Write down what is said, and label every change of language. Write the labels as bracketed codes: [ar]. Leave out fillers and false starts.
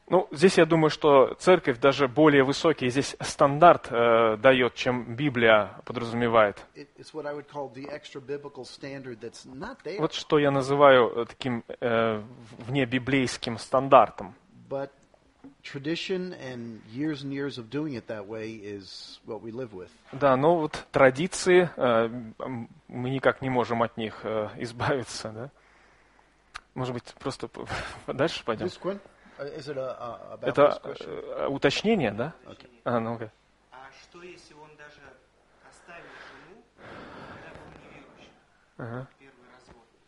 [ru] Здесь я думаю, что церковь даже более высокий здесь стандарт дает, чем Библия подразумевает. Вот что я называю таким внебиблейским стандартом. [en] Tradition and years of doing it that way is what we live with. [ru] Да, но вот традиции мы никак не можем от них избавиться, да? Может быть, просто дальше пойдем? [en] This one? Is it about [ru] это уточнение, да? [en] Okay. [ru] Ну-ка. А что если он даже оставил жену, когда был неверующим? Первый развод.